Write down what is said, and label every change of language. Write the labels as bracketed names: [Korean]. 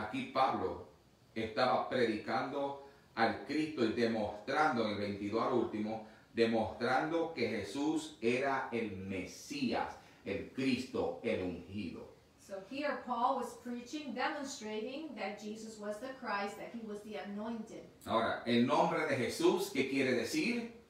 [Spanish] Aquí Pablo estaba predicando al Cristo y demostrando en el 22 al último, demostrando que Jesús era el Mesías, el Cristo, el ungido. [English] So here Paul was preaching, demonstrating that Jesus was the Christ, that he was the anointed. [Spanish] Ahora, el nombre de Jesús, ¿qué quiere decir?